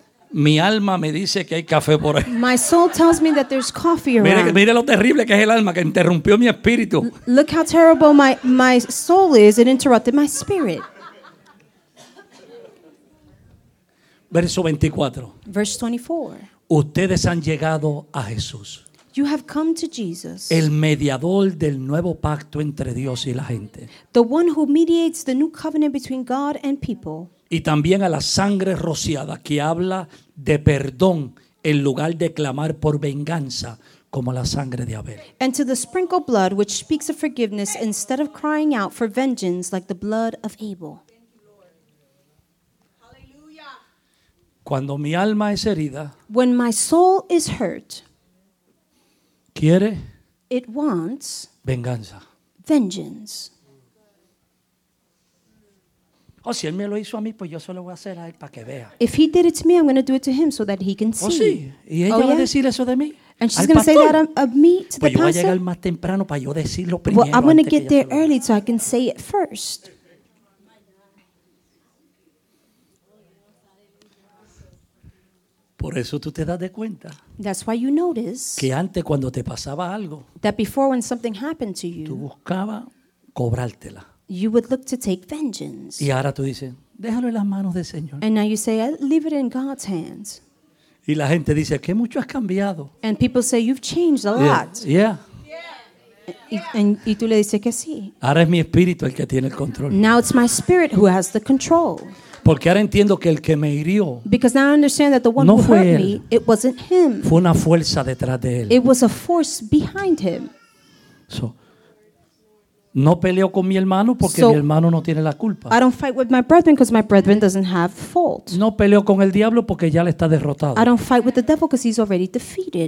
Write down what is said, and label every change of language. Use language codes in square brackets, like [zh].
[es] Mi alma me dice que hay café por ahí. [en] My soul tells me that there's coffee around. [es] Mire lo terrible que es el alma que interrumpió mi espíritu. [en] Look how terrible my soul is. It interrupted my spirit. [es] Verso 24. [en] Verse 24. [es] Ustedes han llegado a Jesús. [en] You have come to Jesus. [es] El mediador del nuevo pacto entre Dios y la gente. [en] The one who mediates the new covenant between God and people. [es] Y también a la sangre rociada que habla de perdón en lugar de clamar por venganza como la sangre de Abel. [en] And to the sprinkled blood which speaks of forgiveness instead of crying out for vengeance like the blood of Abel. [es] Cuando mi alma es herida, [en] when my soul is hurt, [es] quiere, [en] it wants [es] venganza. [en] Vengeance. [es] Oh, si él me lo hizo a mí, pues yo solo voy a hacer a él para que vea. [en] If he did it to me, I'm going to do it to him so that he can see. [es] Oh, sí. Y ella va a decir eso de mí. [en] And she's going to say that of me to the pastor. [es] Pues yo voy a llegar más temprano para yo decirlo primero. [en] Well, I'm going to get there early so I can say it first. [es] Por eso tú te das de cuenta. [en] That's why you notice. [es] Que antes cuando te pasaba algo. [en] That before when something happened to you. [es] Tú buscaba cobrártela. [en] You would look to take vengeance. [es] Y ahora tú dices, déjalo en las manos del Señor. [en] And now you say, leave it in God's hands. [es] Y la gente dice, qué mucho has cambiado. [en] And people say, you've changed a lot. Yeah. [es] Y tú le dices que sí. Ahora es mi espíritu el que tiene el control. [en] Now it's my spirit who has the control. [es] Porque ahora entiendo que el que me hirió [en] because now I understand that the one [es] no [en] who hurt [es] él. [en] Me, it wasn't him. [es] Fue una fuerza detrás de él. [en] It was a force behind him. [es] So, no peleo con mi hermano porque mi hermano no tiene la culpa. [en] I don't fight with my brethren because my brethren doesn't have fault. [es] No peleo con el diablo porque ya le está derrotado. [en] I don't fight with the devil because he's already defeated.